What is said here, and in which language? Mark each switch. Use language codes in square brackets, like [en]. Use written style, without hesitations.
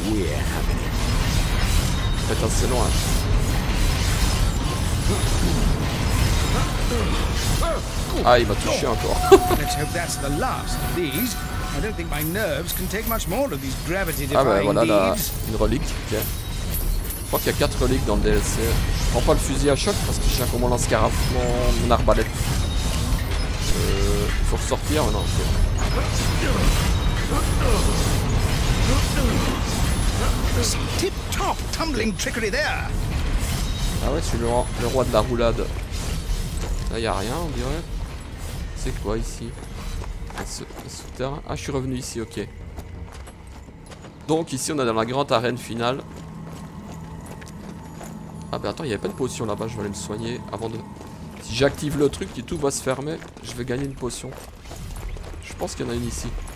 [en] We're having it. [fr] Faites assez loin. Ah, il m'a touché encore. [en] Let's hope that's the last of these. I don't think my nerves can take much more of these gravity-defying needs. [fr] Ah ben, voilà la... une relique, tiens. Je crois qu'il y a 4 reliques dans le DLC. Je prends pas le fusil à choc parce que je tiens comme mon lance-carafe, mon arbalète. Faut ressortir maintenant. Okay. [en] Tip-top tumbling trickery there. [fr] Ah ouais, je suis le roi de la roulade. Là, y a rien, on dirait. C'est quoi ici? Un souterrain. Ah, je suis revenu ici, ok. Donc, ici, on est dans la grande arène finale. Ah bah attends, il y avait pas de potion là-bas, je vais aller me soigner avant de... Si j'active le truc et tout va se fermer, je vais gagner une potion. Je pense qu'il y en a une ici.